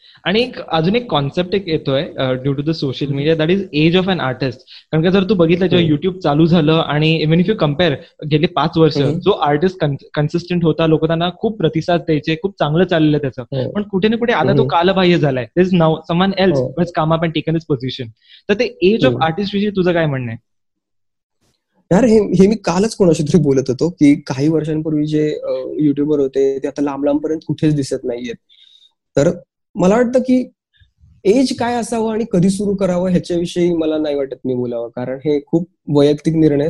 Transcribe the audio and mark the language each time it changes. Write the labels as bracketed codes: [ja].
[mr] आणि एक अजून एक कॉन्सेप्ट एक येतोय [en] Due to the social media, that is age of an artist. [mr] कारण की जर तू बघितलं जेव्हा युट्यूब चालू झालं आणि [en] even if you compare [mr] गेले 5 वर्ष जो आर्टिस्ट कन्सिस्टंट होता, लोक त्यांना खूप प्रतिसाद द्यायचे, खूप चांगलं चाललं त्याचं, पण कुठे ना कुठे आता तो कालबाह्य झालाय. [en] This is now someone else who has come up and taken this position. [mr] तर ते एज ऑफ आर्टिस्ट विषयी तुझं काय म्हणणं आहे? यार हे मी कालच कोणाशी तरी बोलत होतो की काही वर्षांपूर्वी जे युट्यूबर होते ते आता लांब लांब पर्यंत कुठेच दिसत नाहीयेत. तर मला वाटतं की एज काय असावं आणि कधी सुरू करावं ह्याच्याविषयी मला नाही वाटत मी बोलावं, कारण हे खूप वैयक्तिक निर्णय आहे.